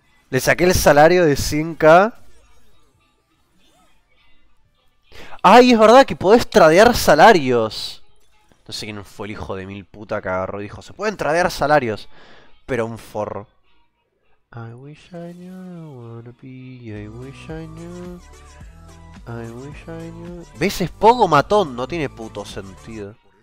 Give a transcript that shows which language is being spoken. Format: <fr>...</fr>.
<es>Le saqué el salario de 5K. ¡Ay, ah, es verdad que podés tradear salarios! No sé quién fue el hijo de mil puta que agarró y dijo: se pueden tradear salarios. Pero un forro.</es> <en>I wish I knew, I wanna be, I wish I knew, I wish I knew.</en> <es>¿Ves? Es Pogo matón, no tiene puto sentido.</es>